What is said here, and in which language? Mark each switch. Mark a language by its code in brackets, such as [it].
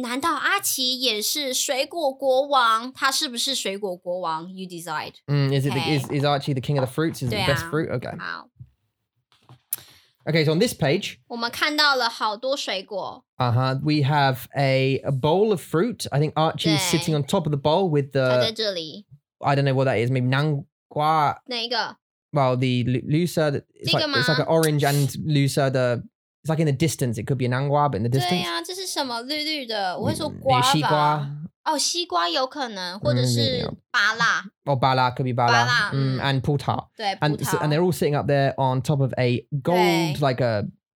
[zh] 难道阿奇也是水果国王？他是不是水果国王 ？ [en] You decide. Is it is Archie the king of the fruits? Is it the best fruit? Okay. [zh] 好。 [en] Okay, so on this page, [zh] 我们看到了好多水果。 [en] We have a bowl of fruit. I think Archie is sitting on top of the bowl with the... [zh] 他在这里。 [en] I don't know what that is. Maybe 南瓜。 [zh] 哪一个? [en] Well, the Lusa... [zh] 这个吗? [en] It's like an orange and Lusa的...It's like in the distance. It could be a 南瓜, but in the distance. [zh] 对啊,这是什么绿绿的?我会说瓜吧。西瓜。哦,西瓜有可能,或者是芭乐。 [en] Or bala, could be bala. And 葡萄. [zh] 对, [en] and, [zh] 葡萄. [en] And they're all sitting up there on top of a gold, like a